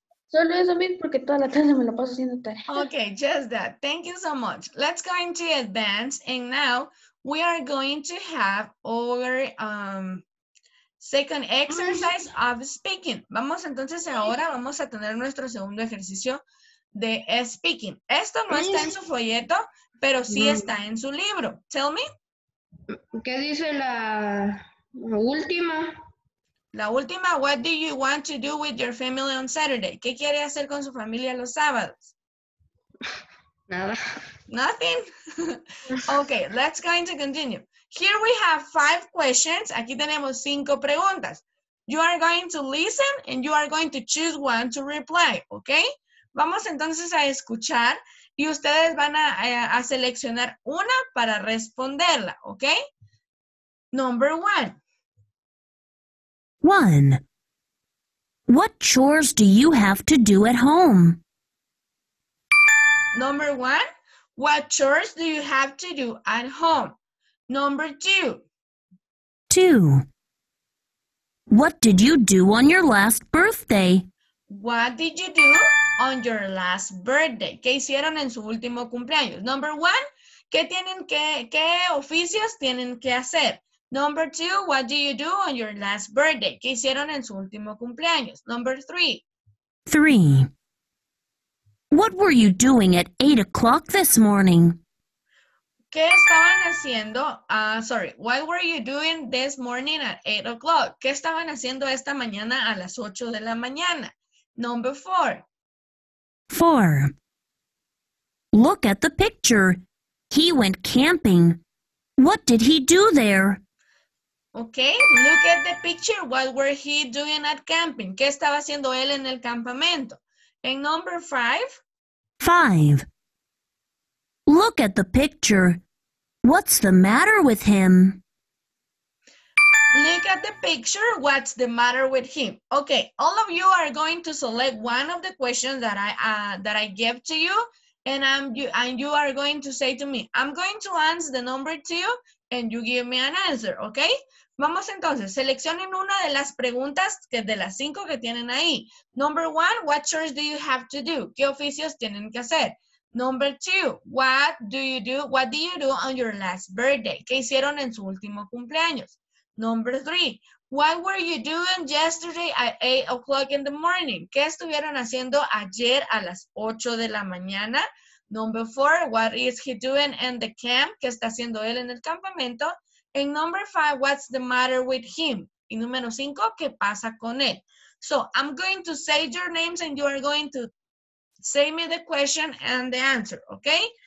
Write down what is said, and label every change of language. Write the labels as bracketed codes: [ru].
[es] Solo eso mismo porque toda la tarde me lo paso haciendo tarea. [en] Okay, just that. Thank you so much. Let's go into advance and now we are going to have our second exercise of speaking. [es] Vamos entonces ahora, vamos a tener nuestro segundo ejercicio de speaking. Esto no está en su folleto, pero sí está en su libro. [en] Tell me. [es] ¿Qué dice la última? [en] La última, what do you want to do with your family on Saturday? [es] ¿Qué quiere hacer con su familia los sábados? Nada. [en] Nothing? Okay, let's going to continue. Here we have 5 questions. Aquí tenemos 5 preguntas. You are going to listen and you are going to choose one to reply, okay? [es] Vamos entonces a escuchar y ustedes van a seleccionar una para responderla, okay? [en] Number one. One. What chores do you have to do at home? Number one. What chores do you have to do at home? Number two. Two. What did you do on your last birthday? What did you do on your last birthday? [es] ¿Qué hicieron en su último cumpleaños? Number one, ¿qué oficios tienen que hacer? [en] Number two, what do you do on your last birthday? [es] ¿Qué hicieron en su último cumpleaños? Number three. [en] Three. What were you doing at 8 o'clock this morning? [es] ¿Qué estaban haciendo? [en] What were you doing this morning at 8 o'clock? [es] ¿Qué estaban haciendo esta mañana a las 8 de la mañana? [en] Number four. Four. Look at the picture. He went camping. What did he do there? Okay, look at the picture. What were he doing at camping? [es] ¿Qué estaba haciendo él en el campamento? And number five. [en] Five. Look at the picture. What's the matter with him? Look at the picture. What's the matter with him? Okay, all of you are going to select one of the questions that I give to you, and you are going to say to me, I'm going to answer the number two, and you give me an answer, okay? [es] Vamos entonces, seleccionen una de las preguntas que de las 5 que tienen ahí. [en] Number one, what chores do you have to do? ¿Qué oficios tienen que hacer? Number two, what do you do on your last birthday? ¿Qué hicieron en su último cumpleaños? Number three, what were you doing yesterday at 8 o'clock in the morning? [es] ¿Qué estuvieron haciendo ayer a las 8 de la mañana? [en] Number four, what is he doing in the camp? ¿Qué está haciendo él en el campamento? And number five, what's the matter with him? Y número 5, ¿qué pasa con él? So, I'm going to say your names and you are going to say me the question and the answer, okay?